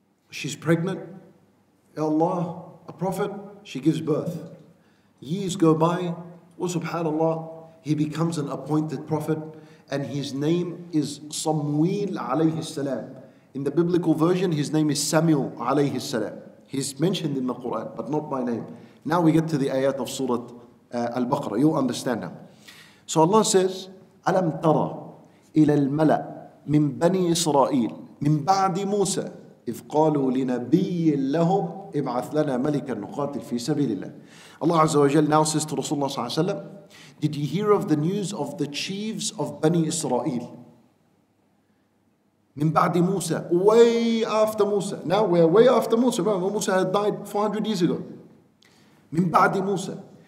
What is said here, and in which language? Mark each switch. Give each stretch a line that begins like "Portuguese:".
English: She's pregnant. Ya Allah, a prophet, she gives birth. Years go by. Wa subhanallah. He becomes an appointed prophet and his name is Samuel alayhi salam. In the biblical version, his name is Samuel alayhi salam. He's mentioned in the Quran, but not by name. Now we get to the ayat of Surat Al-Baqarah. You'll understand now. So Allah says,
Arabic: أَلَمْ تَرَى إِلَى الْمَلَأْ مِنْ بَنِي إِسْرَائِيلِ مِنْ بَعْدِ مُوسَى إِذْ قَالُوا لِنَبِيٍّ لَهُمْ إِبْعَثْ لَنَا مَلِكًا نُقَاتِلْ فِي سَبِيلِ اللَّهِ.
English: Allah Azza wa Jal now says to Rasulullah Sallallahu Alaihi Wasallam, did you hear of the news of the chiefs of Bani Israel?
Arabic: Min ba'di Musa,
English: way after Musa. Now we're way after Musa. Remember, Musa had died 400 years ago.
Arabic: Min ba'di Musa.